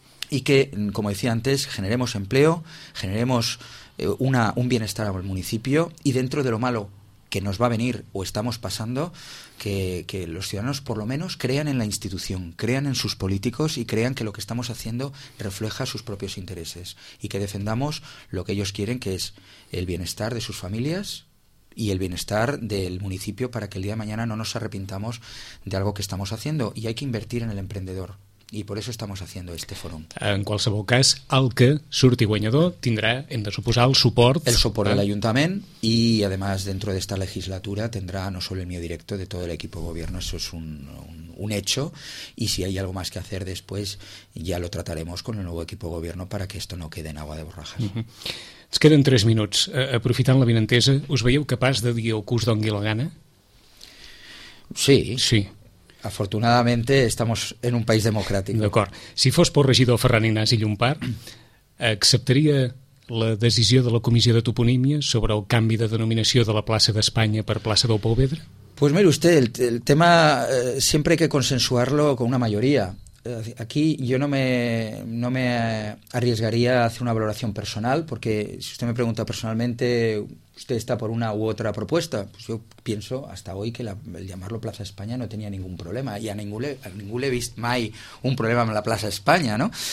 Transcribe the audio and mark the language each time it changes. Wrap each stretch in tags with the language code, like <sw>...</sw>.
<es>y que, como decía antes, generemos empleo, generemos un bienestar al municipio, y dentro de lo malo que nos va a venir o estamos pasando, que los ciudadanos por lo menos crean en la institución, crean en sus políticos y crean que lo que estamos haciendo refleja sus propios intereses, y que defendamos lo que ellos quieren, que es el bienestar de sus familias y el bienestar del municipio, para que el día de mañana no nos arrepintamos de algo que estamos haciendo. Y hay que invertir en el emprendedor, y por eso estamos haciendo este fórum.</es> <ca>En qualsevol cas, el que surti guanyador tindrà, hem de suposar, el suport</ca> <es>del ayuntament, y además dentro de esta legislatura tendrá no solo el mío directo, de todo el equipo de gobierno. Eso es un hecho, y si hay algo más que hacer después ya lo trataremos con el nuevo equipo de gobierno para que esto no quede en agua de borrajas.</es> <ca>Uh-huh. Ens queden 3 minuts. Aprofitant la benentesa, us veieu capaç de dir que us doni la gana?</ca> <es>Sí. Afortunadamente estamos en un país democrático.</es> <ca>D'acord. Si fos por regidor Ferran Ignasi Llompart, acceptaria la decisió de la Comissió de Toponímia sobre el canvi de denominació de la plaça d'Espanya per plaça del Pobedre?</ca> <es>Pues mire usted, el tema siempre hay que consensuarlo con una mayoría. Aquí yo no me arriesgaría a hacer una valoración personal, porque si usted me pregunta personalmente, ¿usted está por una u otra propuesta? Pues yo pienso hasta hoy que el llamarlo Plaza España no tenía ningún problema, y a ningún le he visto mai un problema en la Plaza España, ¿no?</es>